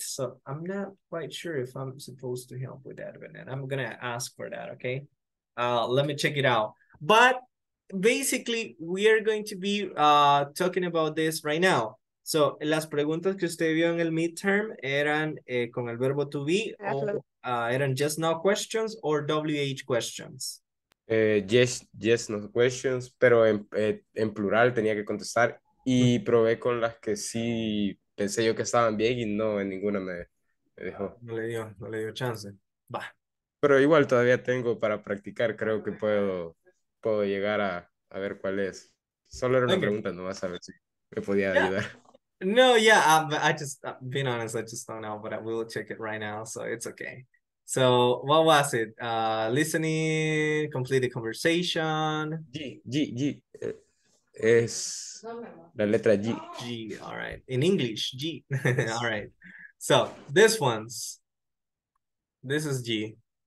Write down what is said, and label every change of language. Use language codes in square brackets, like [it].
[en] So, I'm not quite sure if I'm supposed to help with that, but I'm gonna ask for that, ok? Let me check it out. But, basically, we are going to be talking about this right now. [es] So, las preguntas que usted vio en el midterm eran con el verbo to be, o eran [en] just now questions or WH questions. Yes, no questions, [es] pero en plural tenía que contestar y probé con las que sí pensé yo que estaban bien y no, en ninguna me dejó. No le dio chance. Va. Pero igual todavía tengo para practicar, creo que puedo llegar a ver cuál es. Solo era una pregunta, no vas a ver si me podía ayudar. [en] No, yeah, being honest, I just don't know, but we will check it right now, so it's okay. So, what was it? Listening, complete the conversation. [es] G. Es la letra G. [en] G, all right. In English, G. All right. So, this one's. This is G.